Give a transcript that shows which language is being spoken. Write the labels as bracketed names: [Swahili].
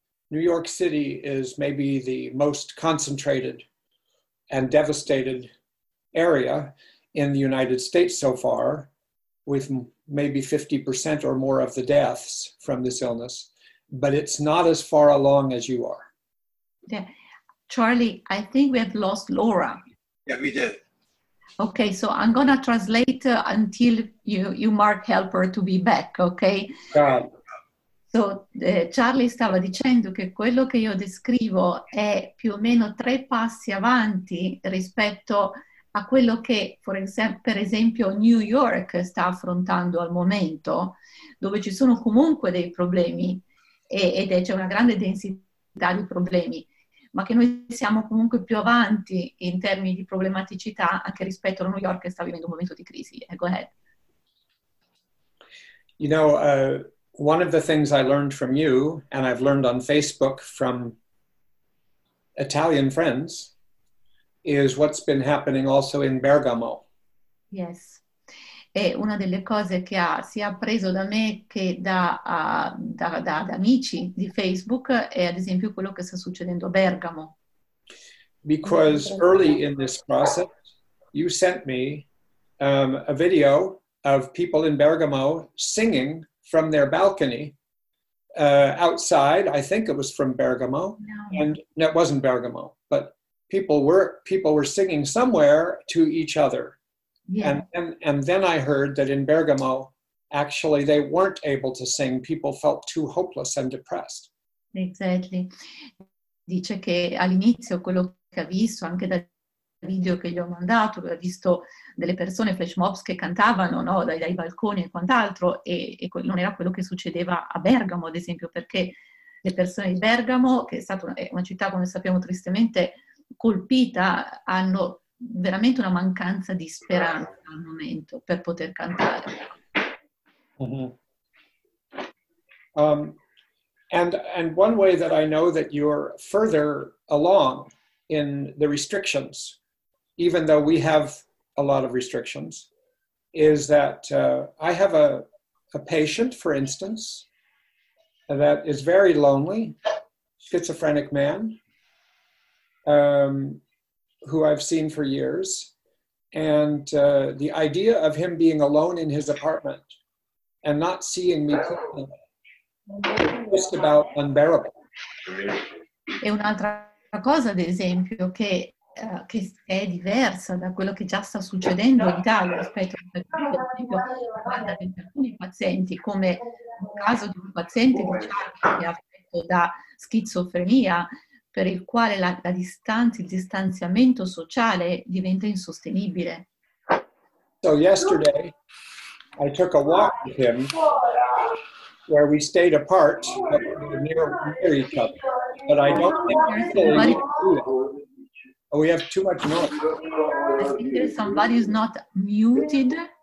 [English] New York City is maybe the most concentrated and devastated area in the United States so far, with maybe 50% or more of the deaths from this illness, but it's not as far along as you are. Yeah, Charlie, I think we have lost Laura. Yeah, we did. Okay, so I'm gonna translate until you Mark help her to be back, okay? [Italian] So Charlie stava dicendo che quello che io descrivo è più o meno tre passi avanti rispetto a quello che, per esempio, New York sta affrontando al momento, dove ci sono comunque dei problemi ed c'è una grande densità di problemi, ma che noi siamo comunque più avanti in termini di problematicità anche rispetto a New York che sta vivendo un momento di crisi. [English] Go ahead. You know, one of the things I learned from you, and I've learned on Facebook from Italian friends, is what's been happening also in Bergamo. Yes. [Italian] È una delle cose che ha sia preso da me che da amici di Facebook è ad esempio quello che sta succedendo a Bergamo. [English] Because early in this process, you sent me a video of people in Bergamo singing from their balcony outside. I think it was from Bergamo. No, it wasn't Bergamo, but people were singing somewhere to each other. Yeah. And then I heard that in Bergamo, actually they weren't able to sing. People felt too hopeless and depressed. Exactly. [Italian] Dice che all'inizio quello che ha visto anche da video che gli ho mandato, ho visto delle persone flash mobs che cantavano, no, dai balconi e quant'altro, e non era quello che succedeva a Bergamo, ad esempio, perché le persone di Bergamo, che è stata una città, come sappiamo, tristemente colpita, hanno veramente una mancanza di speranza al momento per poter cantare. Mm-hmm. [English] And one way that I know that you're further along in the restrictions, even though we have a lot of restrictions, is that I have a patient, for instance, that is very lonely, schizophrenic man, who I've seen for years. And the idea of him being alone in his apartment and not seeing me cooking is just about unbearable. [Italian] E un'altra cosa, ad esempio, che è diversa da quello che già sta succedendo in Italia rispetto a alcuni pazienti, come il caso di un paziente che è affetto da schizofrenia, per il quale la distanza, il distanziamento sociale diventa insostenibile. [English] So yesterday I took a walk with him where we stayed apart near each other, but I don't think Oh, we have too much noise. I think there's somebody who's not muted.